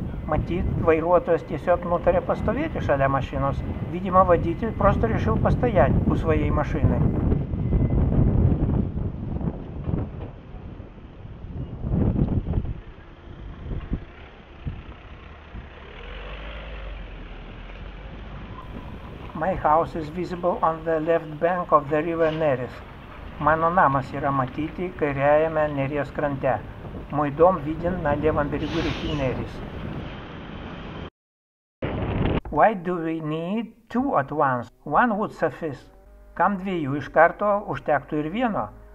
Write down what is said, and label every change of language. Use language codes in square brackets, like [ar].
[lt] Matyt, vairuotojas tiesiog nutarė pastovėti šalia mašinos. [ru] Видимо, водитель просто решил постоять у своей машины. [en] My house is visible on the left bank of the river Neris. [lt] Mano namas yra matyti kairiajame Neries krante. Muidom vidin Nadia Vandarigūrė Neris. [en] Why do we need two at once? One would suffice. [lt] Kam dviejų iš karto užtektų ir vieno?